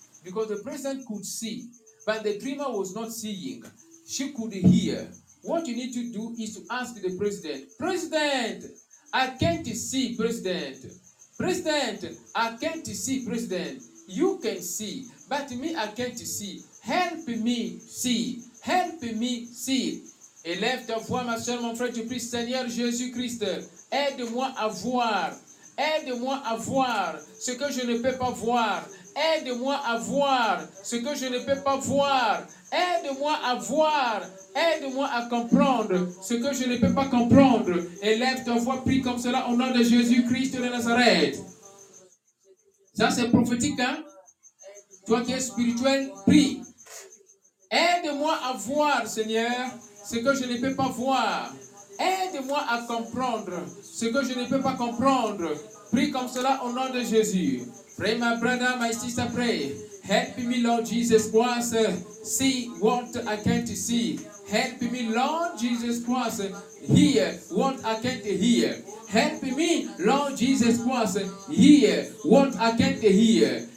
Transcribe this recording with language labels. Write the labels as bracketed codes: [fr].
[en] Because the president could see, but the dreamer was not seeing. She could hear. What you need to do is to ask the president, President, I can't see, President. President, I can't see, President. You can see, but me, I can't see. Help me see. Help me see. [fr] Élève ta voix, ma soeur, mon frère, tu pries, Seigneur Jésus-Christ, aide-moi à voir. Aide-moi à voir ce que je ne peux pas voir. Aide-moi à voir ce que je ne peux pas voir. Aide-moi à voir, aide-moi à comprendre ce que je ne peux pas comprendre. Élève ta voix, prie comme cela au nom de Jésus-Christ de Nazareth. Ça, c'est prophétique, hein? Toi qui es spirituel, prie. Aide-moi à voir, Seigneur, ce que je ne peux pas voir. Aide-moi à comprendre ce que je ne peux pas comprendre. Prie comme cela au nom de Jésus. [en] Pray, my brother, my sister, pray. Help me, Lord Jesus Christ, see what I can't see. Help me, Lord Jesus Christ, hear what I can't hear. Help me, Lord Jesus Christ, hear what I can't hear.